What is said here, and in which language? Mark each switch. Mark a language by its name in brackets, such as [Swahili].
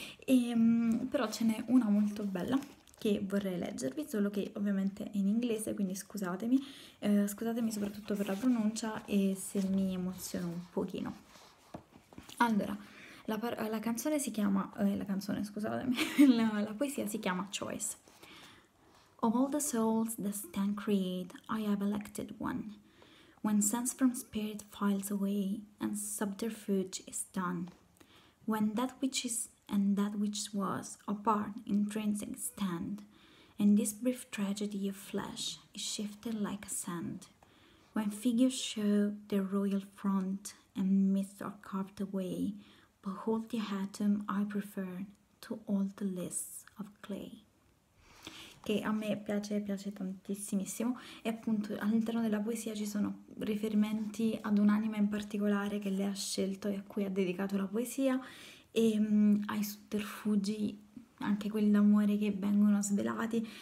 [Italian] Però ce n'è una molto bella che vorrei leggervi, solo che ovviamente è in inglese, quindi scusatemi, scusatemi soprattutto per la pronuncia e se mi emoziono un pochino. Allora, la canzone si chiama, la canzone, scusatemi, la poesia si chiama Choice. [English] All the souls that stand create, I have elected one. When sense from spirit files away and subterfuge is done. When that which is and that which was apart intrinsic stand. And this brief tragedy of flesh is shifted like a sand. When figures show their royal front and myths are carved away, behold the atom I prefer to all the lists of clay. [Italian] Che a me piace tantissimissimo, e appunto all'interno della poesia ci sono riferimenti ad un'anima in particolare che lei ha scelto e a cui ha dedicato la poesia, e ai sotterfugi, anche quelli d'amore che vengono svelati.